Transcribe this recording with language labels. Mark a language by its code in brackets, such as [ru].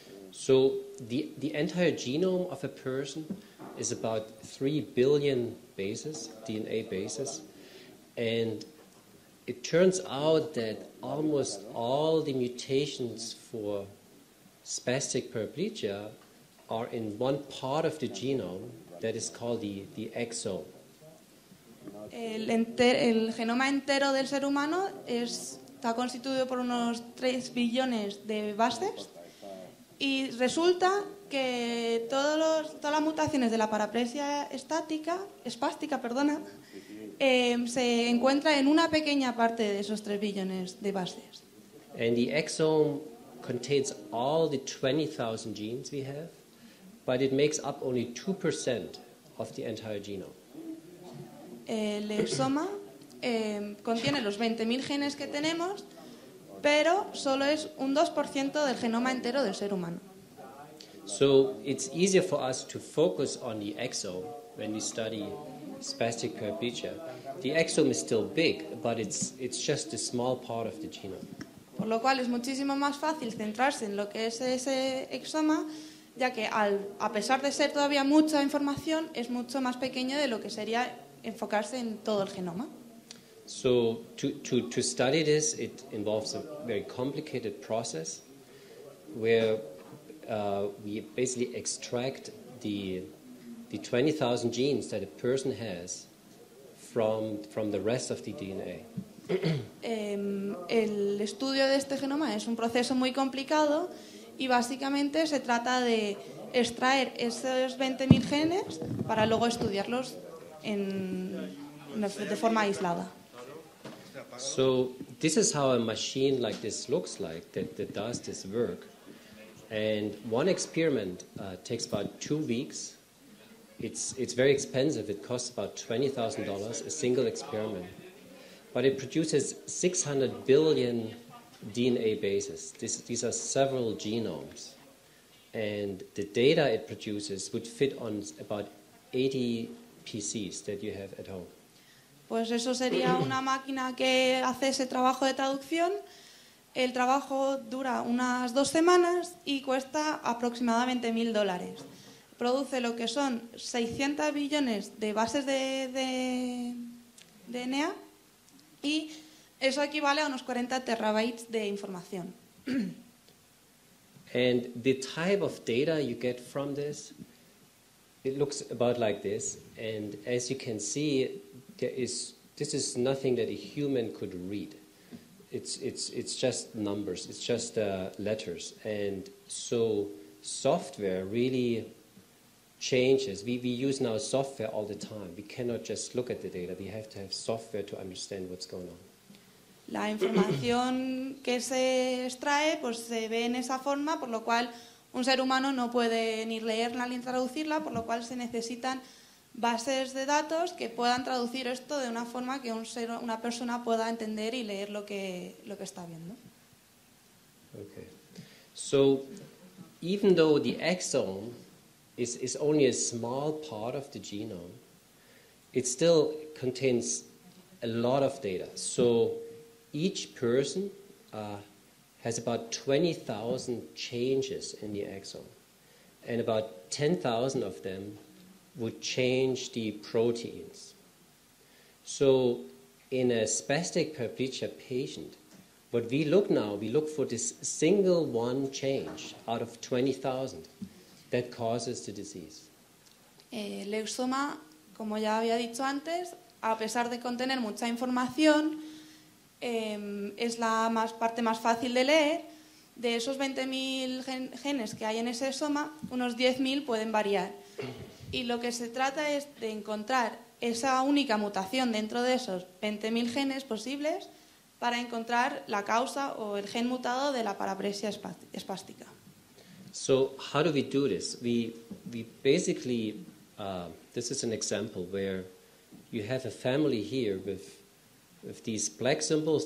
[en] So the entire genome of a person is about 3 billion bases, DNA bases, and it turns out that almost all the mutations for spastic paraplegia are in one part of the genome that is called the exome. [es] El genoma entero del ser humano está constituido por unos 3 billones de bases y resulta que todas las mutaciones de la paraplegia espástica, se encuentra en una pequeña parte de esos 3 billones de bases. [en] And the exome contains all the 20,000 genes we have, but it makes up only 2% of the entire genome. [es] El exoma contiene los 20.000 genes que tenemos, pero solo es un 2% del genoma entero del ser humano. [en] So it's easier for us to focus on the exome when we study spastic paraplegia. The exome is still big, but it's just a small part of the genome. [es] Por lo cual es muchísimo más fácil centrarse en lo que es ese exoma, ya que a pesar de ser todavía mucha información, es mucho más pequeño de lo que sería enfocarse en todo el genoma. [en] So to study this, it involves a very complicated process where we basically extract the 20,000 genes that a person has from the rest of the DNA. [es] El estudio de este genoma es un proceso muy complicado y básicamente se trata de extraer esos 20.000 genes para luego estudiarlos de forma aislada. [en] So this is how a machine like this looks like, that does this work. And one experiment takes about 2 weeks. It's very expensive. It costs about $20,000, a single experiment. But it produces 600 billion DNA bases. These are several genomes. And the data it produces would fit on about 80 PCs that you have at home. [es] Pues eso sería una máquina que hace ese trabajo de traducción. El trabajo dura unas 2 semanas y cuesta aproximadamente $1,000. Produce lo que son 600 billones de bases de DNA y eso equivale a unos 40 terabytes de información. [en] And the type of data you get from this, it looks about like this. And as you can see, this is nothing that a human could read. It's just numbers. It's just letters. And so software really changes. We use now software all the time. We cannot just look at the data. We have to have software to understand what's going on. [es] La información que se extrae pues se ve en esa forma, por lo cual un ser humano no puede ni leerla ni traducirla, por lo cual se necesitan bases de datos que puedan traducir esto de una forma que una persona pueda entender y leer lo que está viendo. [en] Okay. So even though the exome is only a small part of the genome, it still contains a lot of data. So each person has about 20,000 changes in the exome, and about 10,000 of them would change the proteins. So in a spastic paraplegia patient, what we look now, we look for this single one change out of 20,000 that causes the disease. [es] El exoma, como ya había dicho antes, a pesar de contener mucha información, es la más, parte más fácil de leer. De esos 20.000 genes que hay en ese exoma, unos 10.000 pueden variar. Y lo que se trata es de encontrar esa única mutación dentro de esos 20.000 genes posibles para encontrar la causa o el gen mutado de la paraplegia espástica. [en] So how do we do this? We basically, this is an example where you have a family here with these black symbols.